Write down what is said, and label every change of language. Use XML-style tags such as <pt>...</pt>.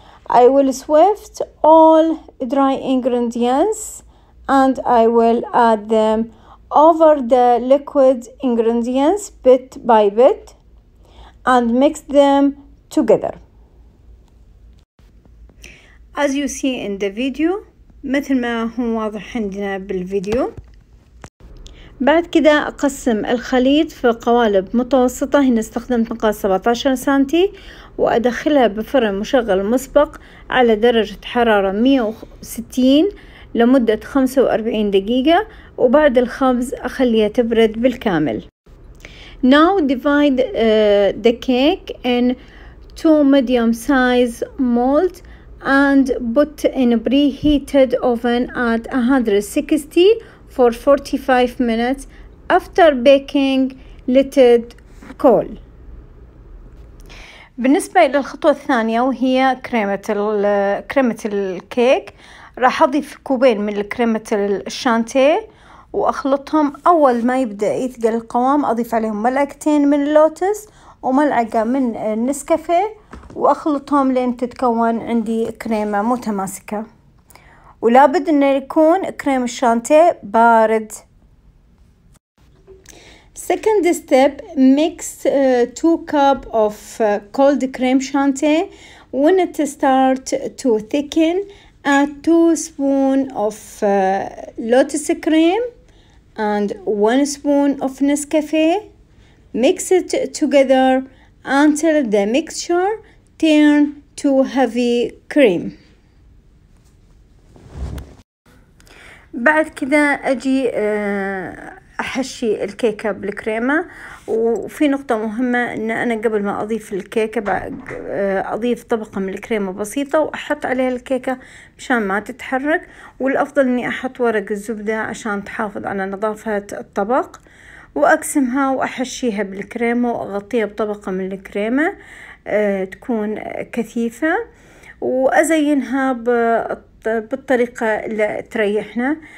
<en>I will sift all dry ingredients and I will add them over the liquid ingredients bit by bit and mix them together. As you see in the video,</en> <ar>مثل ما هو واضح عندنا بالفيديو، بعد كده أقسم الخليط في قوالب متوسطة. هنا استخدمت مقاس 17 سنتي، وأدخلها بفرن مشغل مسبق على درجة حرارة 160 لمدة 45 دقيقة، وبعد الخبز أخليها تبرد بالكامل.</ar> <en>Now divide the cake in 2 medium-size molds and put in a preheated oven at 160 for 45 minutes. After baking, let it cool.</en> <ar>بالنسبة إلى الخطوة الثانية وهي كريمة الكيك، راح أضيف 2 كوب من كريمة الشانتيه وأخلطهم. أول ما يبدأ يثقل القوام أضيف عليهم 2 ملاعق من اللوتس و1 ملعقة من النسكافيه وأخلطهم لين تتكون عندي كريمة متماسكة، ولابد أن يكون كريم الشانتيه بارد.</ar> <en>Second step: mix 2 cups of cold cream chantilly. When it start to thicken, add 2 spoons of lotus cream and 1 spoon of Nescafe. Mix it together until the mixture turn to heavy cream.</en> <ar>بعد كده أجي أحشي الكيكة بالكريمة، وفي نقطة مهمة إن أنا قبل ما أضيف الكيكة أضيف طبقة من الكريمة بسيطة وأحط عليها الكيكة مشان ما تتحرك، والأفضل إني أحط ورق الزبدة عشان تحافظ على نظافة الطبق، وأقسمها وأحشيها بالكريمة وأغطيها بطبقة من الكريمة تكون كثيفة، وأزينها بالطريقة اللي تريحنا.</ar>